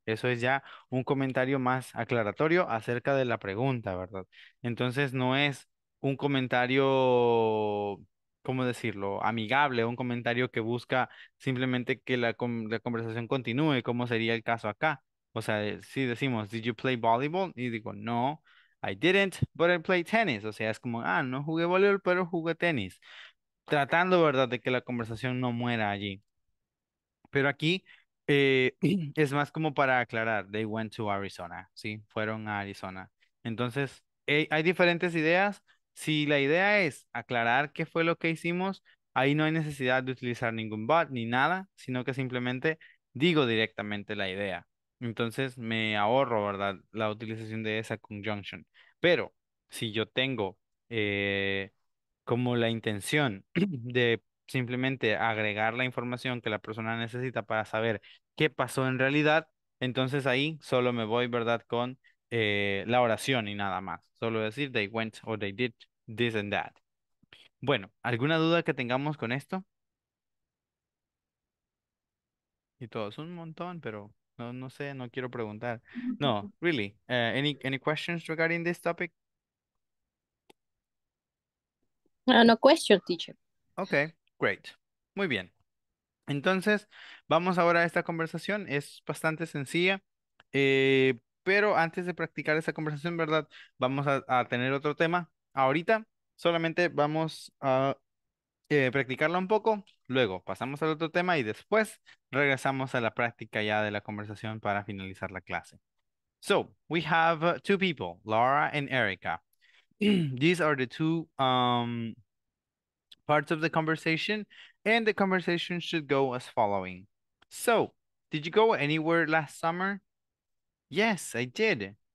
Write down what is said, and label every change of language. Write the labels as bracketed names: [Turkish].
[Spanish] Eso es ya un comentario más aclaratorio acerca de la pregunta, ¿verdad? Entonces no es un comentario, ¿cómo decirlo?, amigable, un comentario que busca simplemente que la conversación continúe, como sería el caso acá. O sea, si decimos, [English] did you play volleyball? [Spanish] Y digo, no. [English] I didn't, but I played tennis. [Spanish] O sea, es como, ah, no jugué voleibol, pero jugué tenis. Tratando, ¿verdad?, de que la conversación no muera allí. Pero aquí es más como para aclarar. [English] They went to Arizona, [Spanish] ¿sí? Fueron a Arizona. Entonces, hay diferentes ideas. Si la idea es aclarar qué fue lo que hicimos, ahí no hay necesidad de utilizar ningún but ni nada, sino que simplemente digo directamente la idea. Entonces me ahorro, ¿verdad?, la utilización de esa conjunción. Pero si yo tengo como la intención de simplemente agregar la información que la persona necesita para saber qué pasó en realidad, entonces ahí solo me voy, ¿verdad?, con la oración y nada más. Solo decir [English] they went or they did this and that. [Spanish] Bueno, ¿alguna duda que tengamos con esto? Y todos un montón, pero no, no sé, no quiero preguntar. [English] No, really. Any questions regarding this topic? No question, teacher. Okay, great. [Spanish] Muy bien. Entonces, vamos ahora a esta conversación. Es bastante sencilla. Pero antes de practicar esa conversación, ¿verdad? Vamos a tener otro tema. Ahorita solamente vamos a practicarla un poco, luego pasamos al otro tema y después regresamos a la práctica ya de la conversación para finalizar la clase. [English] So, we have two people, Laura and Erica. These are the two parts of the conversation, and the conversation should go as following. So, did you go anywhere last summer? Yes, I did.